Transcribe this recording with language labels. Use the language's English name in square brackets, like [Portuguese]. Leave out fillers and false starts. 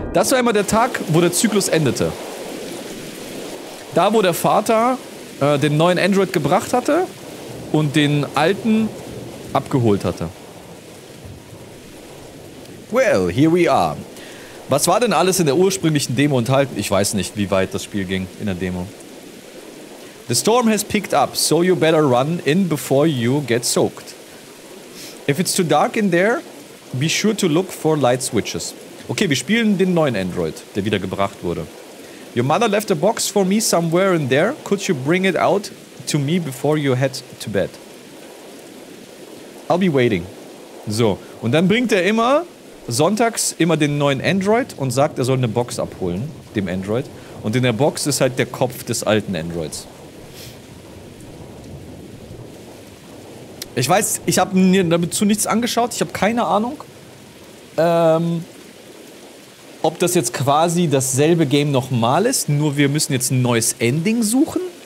[German] Das war immer der Tag, wo der Zyklus endete. Da, wo der Vater den neuen Android gebracht hatte und den alten abgeholt hatte. [English] Well, here we are. [German] Was war denn alles in der ursprünglichen Demo enthalten? Ich weiß nicht, wie weit das Spiel ging in der Demo. [English] The storm has picked up, so you better run in before you get soaked. If it's too dark in there, be sure to look for light switches. [German] Okay, wir spielen den neuen Android, der wieder gebracht wurde. [English] Your mother left a box for me somewhere in there. Could you bring it out to me before you head to bed? I'll be waiting. [German] So, und dann bringt er immer sonntags immer den neuen Android und sagt, er soll eine Box abholen, dem Android. Und in der Box ist halt der Kopf des alten Androids. Ich weiß, ich habe mir dazu nichts angeschaut, ich habe keine Ahnung, ob das jetzt quasi dasselbe Game nochmal ist, nur wir müssen jetzt ein neues Ending suchen.